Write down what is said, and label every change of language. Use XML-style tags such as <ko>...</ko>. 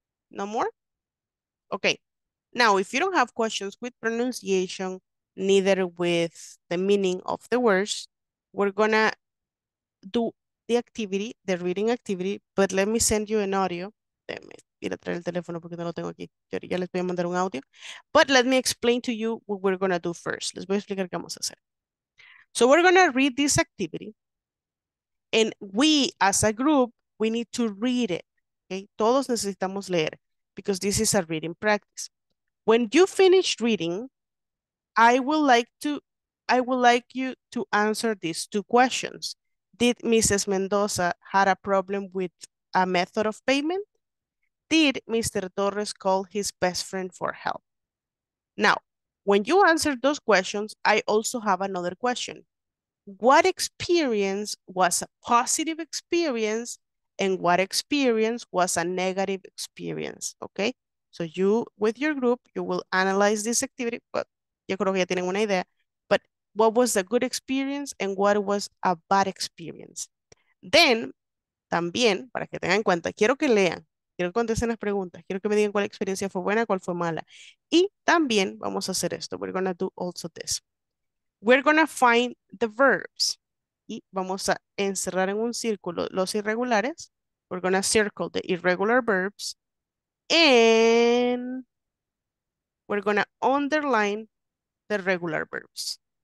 <en>No more? Okay. Now, if you don't have questions with pronunciation, neither with the meaning of the words, we're gonna do the activity, the reading activity, but let me send you an audio.</en> <es>Ir a traer el teléfono porque no lo tengo aquí. Yo ya les voy a mandar un audio.</es> <en>But let me explain to you what we're going to do first.</en> <es>Les voy a explicar qué vamos a hacer.</es> <en>So we're going to read this activity. And we, as a group, we need to read it. Okay?</en> <es>Todos necesitamos leer.</es> <en>Because this is a reading practice. When you finish reading, I would like you to answer these two questions. Did Mrs. Mendoza had a problem with a method of payment? Did Mr. Torres call his best friend for help? Now, when you answer those questions, I also have another question. What experience was a positive experience and what experience was a negative experience? Okay, so you, with your group, you will analyze this activity, but</en> <es>yo creo que ya tienen una idea.</es> <en>But what was the good experience and what was a bad experience?</en> <es>Then, también, para que tengan en cuenta, quiero que lean. Quiero que contesten las preguntas. Quiero que me digan cuál experiencia fue buena, cuál fue mala. Y también vamos a hacer esto.</es> <en>We're going to do also this. We're going to find the verbs.</en> <es>Y vamos a encerrar en un círculo los irregulares.</es> <en>We're going to circle the irregular verbs. And we're going to underline the regular verbs.</en>